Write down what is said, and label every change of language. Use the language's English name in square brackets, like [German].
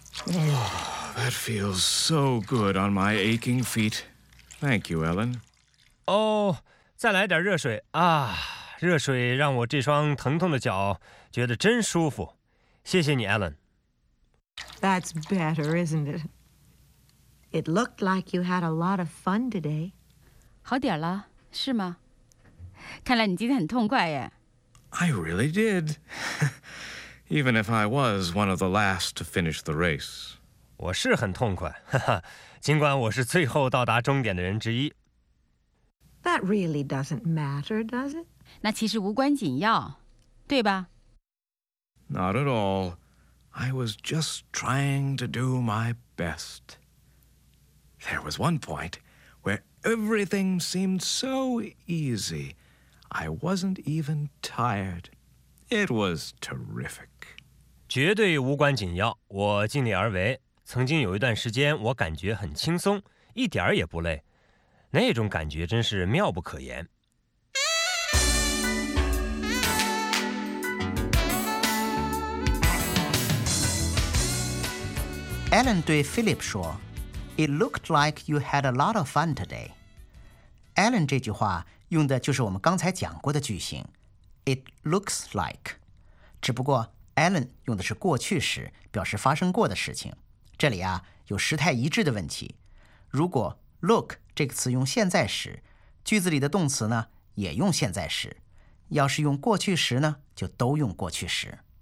[English] Oh, that feels so good on my aching feet. Thank you, Ellen. [Chinese] Oh, 再来点热水啊。热水让我这双疼痛的脚觉得真舒服，谢谢你 ，Alan。 [English] That's better, isn't it? It looked like you had a lot of fun today. [Chinese] 好点了，是吗？看来你今天很痛快耶。 [English] I really did. Even if I was one of the last to finish the race. [Chinese] 我是很痛快，尽管我是最后到达终点的人之一。 [English] That really doesn't matter, does it? [Chinese] 那其实无关紧要，对吧 [English] ？Not at all. I was just trying to do my best. There was one point where everything seemed so easy, I wasn't even tired. It was terrific. [Chinese] 绝对无关紧要，我尽力而为。曾经有一段时间我感觉很轻松，一点也不累，那种感觉真是妙不可言。 [English] Alan 对 Philip 说 It looked like you had a lot of fun today. [Chinese] Alan 这句话用的就是我们刚才讲过的句型 It looks like， 只不过 Alan 用的是过去时，表示发生过的事情。这里啊，有时态一致的问题。如果 look 这个词用现在时，句子里的动词呢也用现在时，要是用过去时呢，就都用过去时。